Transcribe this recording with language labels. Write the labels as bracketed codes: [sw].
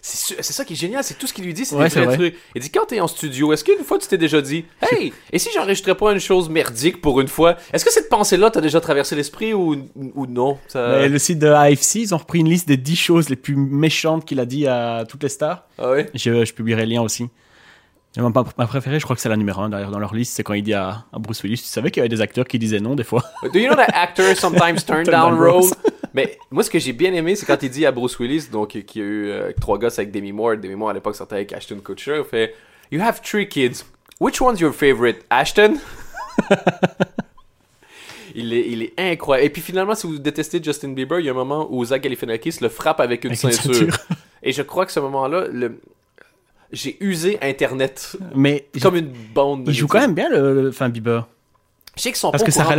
[fr] C'est ça qui est génial, c'est tout ce qu'il lui dit, c'est vrai. Il dit, quand t'es en studio, est-ce qu'une fois tu t'es déjà dit, « Hey, et si j'enregistrais pas une chose merdique pour une fois, est-ce que cette pensée-là t'a déjà traversé l'esprit ou non? Ça... » Mais le site de AFC, ils ont repris une liste des 10 choses les plus méchantes qu'il a dit à toutes les stars. Ah oui? Je publierai le lien aussi. Ma préférée, je crois que c'est la numéro 1 d'ailleurs dans leur liste, c'est quand il dit à Bruce Willis, tu savais qu'il y avait des acteurs qui disaient non des fois? [en] « Do you know that actors sometimes turn down roles? » [fr] Mais moi, ce que j'ai bien aimé, c'est quand il dit à Bruce Willis, donc qui a eu trois gosses avec Demi Moore. Demi Moore à l'époque sortait avec Ashton Kutcher. Il fait [en] You have three kids. Which one's your favorite, Ashton? [fr] Il est incroyable. Et puis finalement, si vous détestez Justin Bieber, il y a un moment où Zach Galifianakis le frappe avec une ceinture. Et je crois que ce moment-là, j'ai usé Internet mais comme une bande. Il joue quand même bien, le Bieber. Je sais qu'ils sont pas au courant de tout.